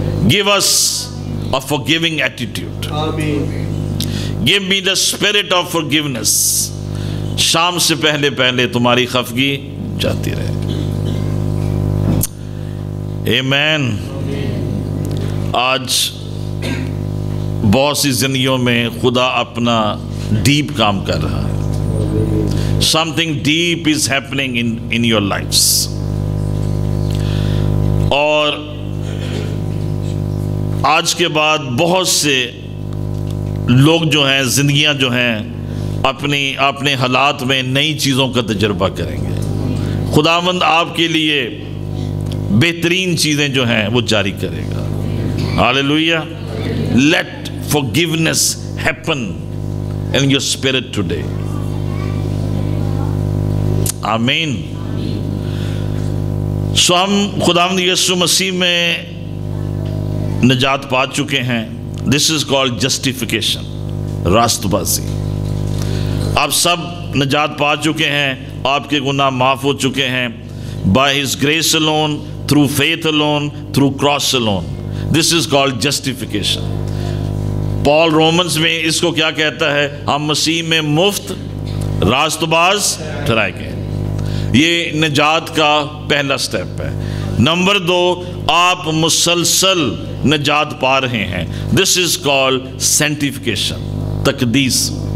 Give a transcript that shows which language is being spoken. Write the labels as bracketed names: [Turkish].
[English] Give us a forgiving attitude, give me the spirit of forgiveness. [Urdu] شام سے پہلے پہلے تمہاری خفگی جاتی رہے. Amen. آج بہت سی زندگیوں میں خدا اپنا ڈیپ کام کر رہا ہے. [English] Something deep is happening in your lives. [Urdu] اور آج کے بعد بہت سے لوگ جو ہیں, زندگیاں جو ہیں, اپنی اپنے حالات میں نئی چیزوں کا تجربہ کریں گے. خداوند آپ کے لیے بہترین چیزیں جو ہیں وہ جاری کرے گا. Hallelujah. [English] Let forgiveness happen in your spirit today. آمین. [Urdu] سو ہم خداوند یسوع مسیح میں نجات پا چکے ہیں. [English] This is called justification, [Urdu] راست بازی. آپ سب نجات پا چکے ہیں, آپ کے گناہ معاف ہو چکے ہیں. [English] By his grace alone, through faith alone, through cross alone. This is called justification. [Urdu] Paul Romans میں اس کو کیا کہتا ہے, ہم مسیح میں مفت راست باز ٹھہرائے گئے. یہ نجات کا پہلا سٹیپ ہے. نمبر دو, آپ مسلسل نجات پا رہے ہیں. [English] this is call sanctification, [Urdu] تقدیس.